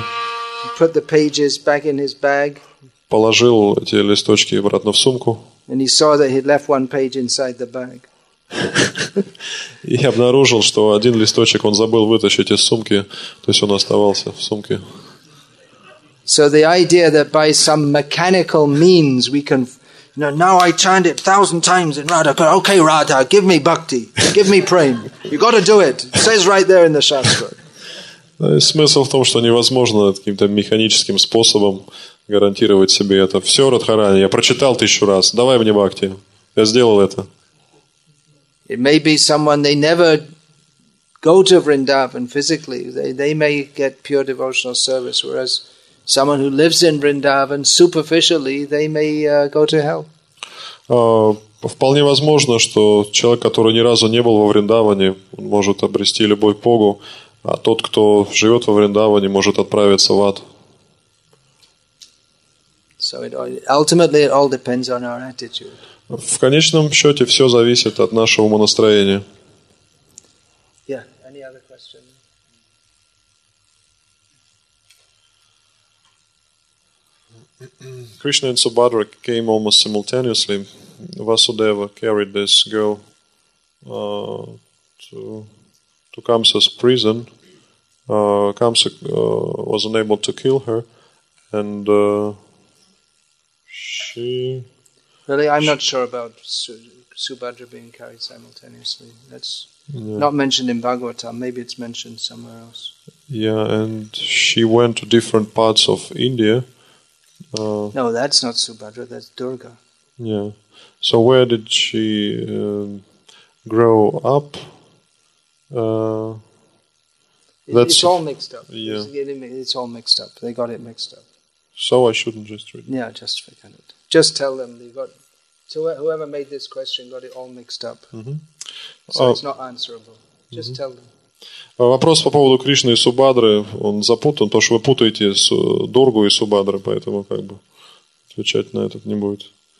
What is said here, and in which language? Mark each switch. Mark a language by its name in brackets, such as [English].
[English] He put the pages back in his bag. [Russian] Положил эти листочки обратно в сумку. [English] And he saw that he'd left one page inside the bag. [Russian] И обнаружил, что один листочек он забыл вытащить из сумки, то есть он оставался в сумке. [English] So the idea that by some mechanical means we can, no, now I chant it 1,000 times in Radha. Okay, Radha, give me bhakti, give me prem. You got to do it. It says right there in the Shastra. [Russian] Смысл в том, что невозможно каким-то механическим способом гарантировать себе это. Все, Радхарани, я прочитал 1000 раз. Давай мне бхакти. Я сделал это. [English] It may be someone, they never go to Vrindavan physically. They may get pure devotional service, whereas someone who lives in Vrindavan superficially, they may go to hell. [Russian] Вполне возможно, что человек, который ни разу не был во Вриндаване, он может обрести любой погу, а тот, кто живет во Вриндаване, может отправиться в ад. [English] So ultimately it all depends on our attitude. [Russian] В конечном счете все зависит от нашего умонастроения. [English] Yeah, any other question? Krishna and Subhadra came almost simultaneously. Vasudeva carried this girl to Kamsa's prison. Kamsa was unable to kill her, and she. Really, I'm not sure about Subhadra being carried simultaneously. That's not mentioned in Bhagavatam. Maybe it's mentioned somewhere else. Yeah, and she went to different parts of India. No, that's not Subhadra. That's Durga. Yeah. So where did she grow up? It's all mixed up. Yeah. It's all mixed up. They got it mixed up. So I shouldn't just read it? Yeah, just forget it. Just tell them they got... So whoever made this question got it all mixed up. Mm-hmm. So it's not answerable. Just mm-hmm. tell them. [Russian] Вопрос по поводу Кришны и Субхадры, он запутан, потому что вы путаете с Дургу и Субхадры, поэтому как бы отвечать на этот не будет.